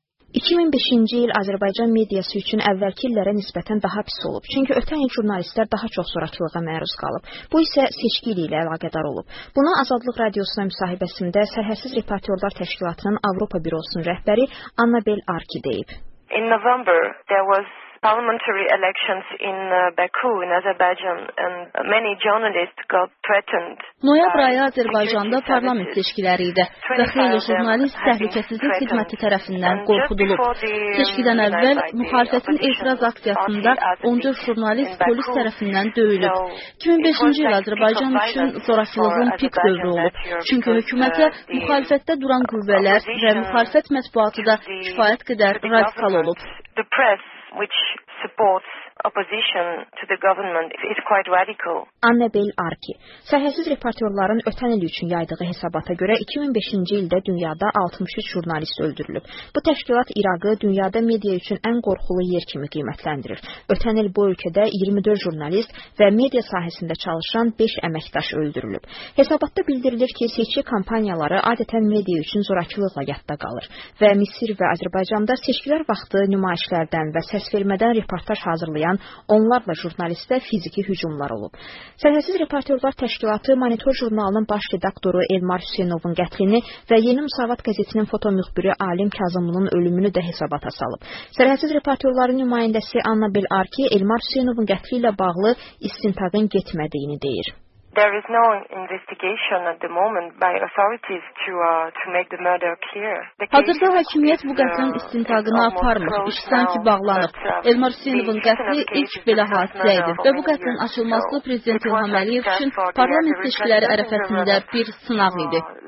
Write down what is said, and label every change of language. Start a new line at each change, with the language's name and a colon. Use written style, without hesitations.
Azerbaijani: 2005-ci il Azərbaycan mediası üçün əvvəlki illərə nisbətən daha pis olub, çünki ötən il jurnalistlər daha çox zorakılığa məruz qalıb. Bu isə seçki ilə əlaqədar olub. Buna Azadlıq Radiosuna müsahibəsində Sərhədsiz Reportyorlar Təşkilatının Avropa Bürosunun rəhbəri Annabel Arki deyib.
English: In November, there was parliamentary elections in Baku, in Azerbaijan, and many journalists got threatened.
Azerbaijani: Noyabr ayı Azərbaycanda parlament seçkiləri idi və xeyli jurnalist təhlükəsizlik xidməti tərəfindən qorxudulub. Seçkidən əvvəl müxalifətin etiraz aksiyasında 14 jurnalist polis tərəfindən döyülüb. 2005-ci il Azərbaycan üçün zorakılığın pik dövrü olub, çünki hökumətə müxalifətdə duran qüvvələr və müxalifət mətbuatı da kifayət qədər radikal olub.
English: Which supports opposition to the government is quite radical.
Azerbaijani: Annabel Arki, səhəsiz reportyorların ötən il üçün yaydığı hesabata görə 2005-ci ildə dünyada 63 jurnalist öldürülüb. Bu təşkilat İraqı dünyada media üçün ən qorxulu yer kimi qiymətləndirir. Ötən il bu ölkədə 24 jurnalist və media sahəsində çalışan 5 əməkdaş öldürülüb. Hesabatda bildirilir ki, seçki kampaniyaları adətən media üçün zorakılıqla yadda qalır və Misir və Azərbaycanda seçkilər vaxtı nümayişlərdən və səs vermədən reportaj hazırlanır. Onlarla jurnalistə fiziki hücumlar olub. Sərhədsiz Reportyorlar Təşkilatı Monitor jurnalının baş redaktoru Elmar Hüseynovun qətlini və Yeni Müsavat qəzetinin fotomüxbiri Alim Kazımlının ölümünü də hesabata salıb. Sərhədsiz Reportyorların nümayəndəsi Annabel Arki Elmar Hüseynovun qətli ilə bağlı istintaqın getmədiyini deyir.
English: There is no investigation at the moment by authorities to make the murder clear.
Azerbaijani: Hazırda hakimiyyət bu qətlin istintaqını aparmır. İş sanki bağlanıb. Elmar Hüseynovun qətli ilk belə hadisə idi və bu qətlin açılması prezident İlham Əliyev üçün parlament seçkiləri ərəfəsində bir sınaq idi.